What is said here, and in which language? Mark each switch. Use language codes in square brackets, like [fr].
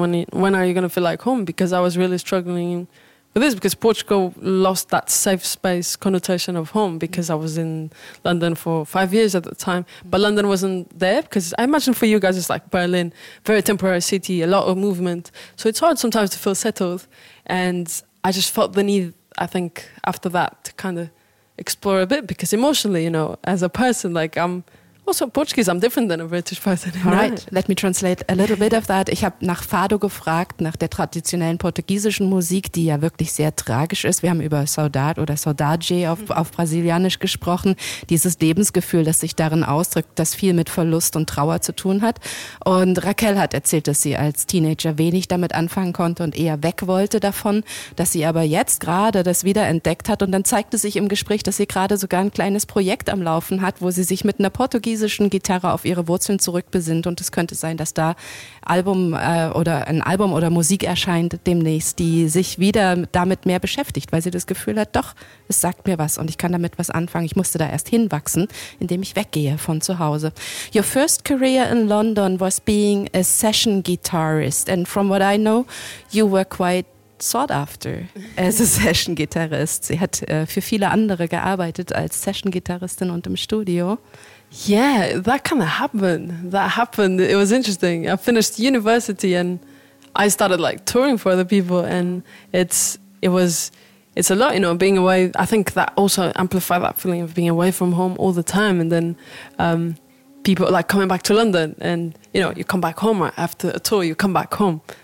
[en] When are you gonna feel like home? Because I was really struggling with this, because Portugal lost that safe space connotation of home, because I was in London for 5 years at the time, but London wasn't there, because I imagine for you guys it's like Berlin, very temporary city, a lot of movement, so it's hard sometimes to feel settled. And I just felt the need, I think, after that to kind of explore a bit, because emotionally, you know, as a person, like I'm also Portuguese, I'm different than a British person. Right, let me translate a little bit of that. [de] Ich habe nach Fado gefragt, nach der traditionellen portugiesischen Musik, die ja wirklich sehr tragisch ist. Wir haben über Saudade oder Saudade auf Brasilianisch gesprochen. Dieses Lebensgefühl, das sich darin ausdrückt, das viel mit Verlust und Trauer zu tun hat. Und Raquel hat erzählt, dass sie als Teenager wenig damit anfangen konnte und eher weg wollte davon, dass sie aber jetzt gerade das wiederentdeckt hat. Und dann zeigte sich im Gespräch, dass sie gerade sogar ein kleines Projekt am Laufen hat, wo sie sich mit einer portugiesischen Gitarre auf ihre Wurzeln zurückbesinnt, und es könnte sein, dass da ein Album oder Musik erscheint demnächst, die sich wieder damit mehr beschäftigt, weil sie das Gefühl hat, doch, es sagt mir was und ich kann damit was anfangen. Ich musste da erst hinwachsen, indem ich weggehe von zu Hause. [en] Your first career in London was being a session guitarist, and from what I know, you were quite sought after as a session guitarist. [de] Sie hat für viele andere gearbeitet als Session Gitarristin und im Studio. [en] Yeah, that kind of happened. That happened. It was interesting. I finished university and I started like touring for other people, and it's a lot, you know, being away. I think that also amplified that feeling of being away from home all the time, and then people like coming back to London, and you know, you come back home right after a tour, you come back home.